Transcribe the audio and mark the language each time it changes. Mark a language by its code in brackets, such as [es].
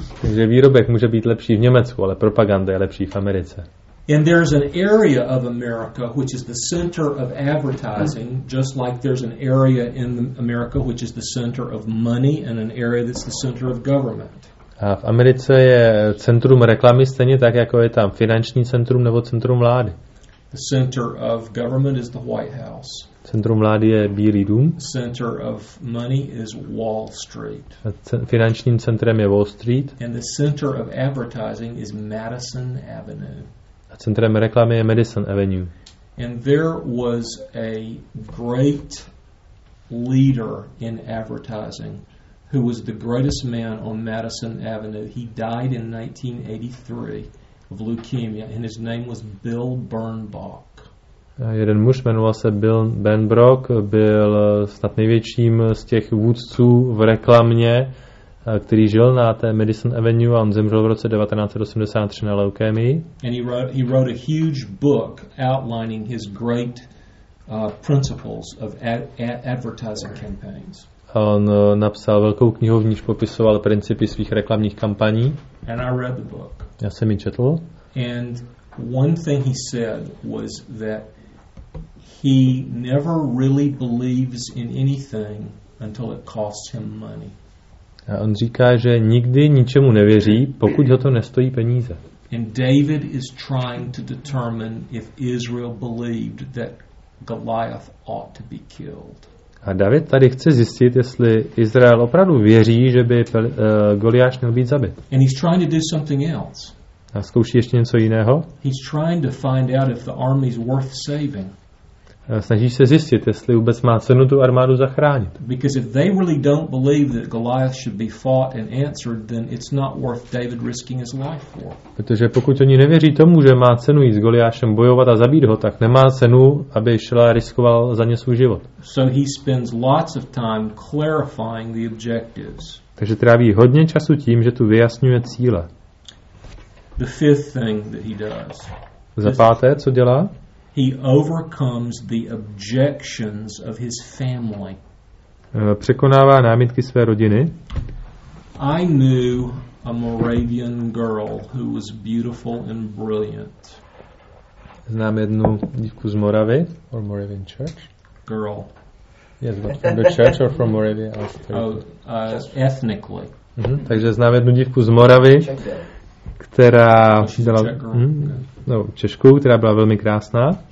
[cs] Takže výrobek může být lepší v Německu, ale propaganda je lepší v Americe. [en] And there's an area of America which is the center of advertising, just like there's an area in America which is the center of money and an area that's the center of government. [cs] A v Americe je centrum reklamy stejně tak, jako je tam finanční centrum nebo centrum vlády. [en] The center of government is the White House. [cs] Centrum vlády je Bílý dům. [en] The center of money is Wall Street. [cs] Finančním centrem je Wall Street. [en] And the center of advertising is Madison Avenue. [cs] A centrem reklamy je Madison Avenue. [en] And there was a great leader in advertising who was the greatest man on Madison Avenue. He died in 1983 of leukemia and his name was Bill Birnbaum. [cs] Jeden muž jmenoval se Bill Birnbaum, byl snad největším z těch vůdců v reklamě, který žil na té Madison Avenue a on zemřel v roce 1983 na leukemii. [en] And he wrote a huge book outlining his great principles of advertising campaigns. [cs] On napsal velkou knihu, v níž popisoval principy svých reklamních kampaní. [en] And I read the book. [cs] Já jsem ji četl. [en] And one thing he said was that he never really believes in anything until it costs him money. [cs] A on říká, že nikdy ničemu nevěří, pokud ho to nestojí peníze. [en] And David is trying to determine if Israel believed that Goliath ought to be killed. [cs] A David tady chce zjistit, jestli Izrael opravdu věří, že by Goliáš měl být zabit. [en] And he's trying to do something else. [cs] A zkouší ještě něco jiného. [en] He's trying to find out if the army is worth saving. [cs] Snaží se zjistit, jestli vůbec má cenu tu armádu zachránit. [en] Because if they really don't believe that Goliath should be fought and answered, then it's not worth David risking his life for. [cs] Protože pokud oni nevěří tomu, že má cenu jít s Goliášem bojovat a zabít ho, tak nemá cenu, aby šel a riskoval za ně svůj život. [en] So he spends lots of time clarifying the objectives. [cs] Takže tráví hodně času tím, že tu vyjasňuje cíle. [en] The fifth thing that he does. [cs] Za páté, co dělá? [en] He overcomes the objections of his family. [cs] Překonává námitky své rodiny. [en] I knew a Moravian girl who was beautiful and brilliant. [cs] Znám jednu dívku z Moravy, [en] or Moravian church. Girl. Yes, but from the church or from Moravia? Ethnically. Mm-hmm. [cs] Takže znám jednu dívku z Moravy, která dala, no, Češku, která byla velmi krásná.